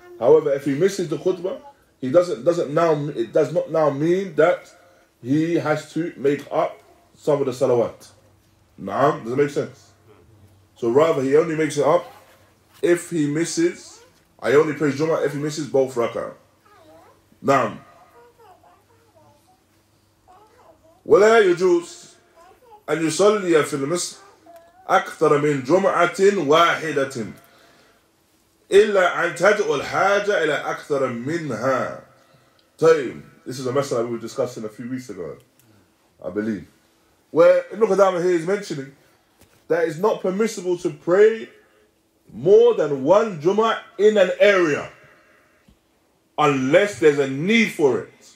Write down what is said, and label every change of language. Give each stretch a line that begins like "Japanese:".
English: However, if he misses the khutbah, it does not now mean that he has to make up some of the salawat. Naam, does it make sense? So rather, he only makes it up if he misses, I only praise Jummah if he misses both rak'ah. Naam.
Arabic: وَلَا يَجُوزُ أَنْ يُصَلِّيَ فِي الْمِسْرِ أكثر من جمعة واحدة إلا أن تدعو الحاجة إلى أكثر منها.
English: طيب, this is a message we were discussing a few weeks ago, I believe, where Ibn Qudamah here is mentioning that it's not permissible to pray more than one Jum'ah in an area unless there's a need for it.